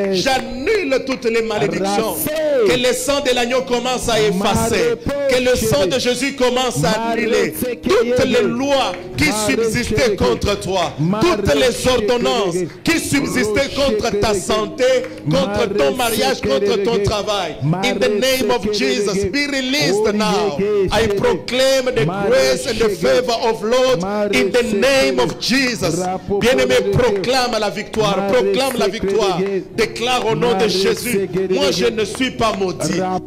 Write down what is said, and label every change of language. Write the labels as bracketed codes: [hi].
[fr] J'annule toutes les malédictions. Que le sang de l'agneau commence à effacer. Que le sang de Jésus commence à annuler toutes les lois qui subsistaient contre toi, toutes les ordonnances qui subsistaient contre ta santé, contre ton mariage, contre ton travail. [en] In the name of Jesus, be released now. I proclaim the grace and the favor of Lord in the name of Jesus. [fr] Bien-aimé, proclame la victoire, proclame la victoire. Déclare au nom de Jésus, moi je ne suis pas maudit.